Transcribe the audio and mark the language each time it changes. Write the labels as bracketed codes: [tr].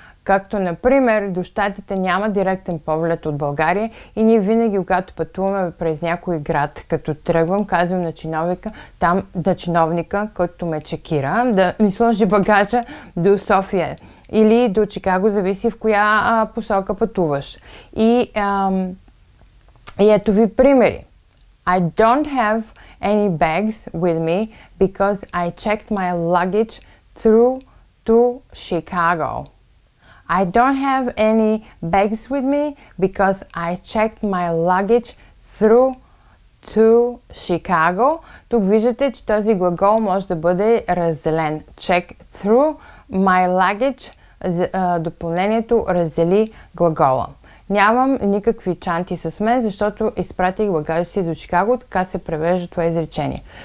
[bg] Както, например, до щатите няма директен полет от България и ние винаги, когато пътуваме през някой град, като тръгвам, казвам на чиновника, там на чиновника, който ме чекира, да ми сложи багажа до София или до Чикаго, зависи в коя посока пътуваш. И ето ви примери. [en] I don't have any bags with me because I checked my luggage through to Chicago. I don't have any bags with me because I checked my luggage through to Chicago. [bg] Тук виждате, че този глагол може да бъде разделен. [en] Check through my luggage. [bg] Допълнението раздели глагола. Нямам никакви чанти с мен, защото изпратих багажа си до Чикаго, така се превежда това изречение.